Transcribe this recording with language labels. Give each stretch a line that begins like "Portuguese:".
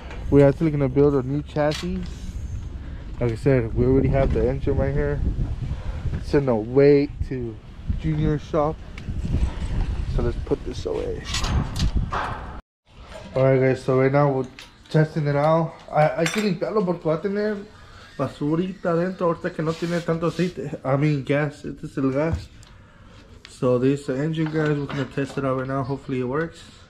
English: We're actually gonna build a new chassis. Like I said, we already have the engine right here. Send a weight to Junior shop. So let's put this away. Alright guys, so right now we're testing it out.
Spanish: Hay que limpiarlo porque va a tener basurita adentro ahorita que no tiene tanto aceite.
English: I mean gas,
Spanish: este es el gas.
English: So this is the engine guys, we're gonna test it out right now, hopefully it works.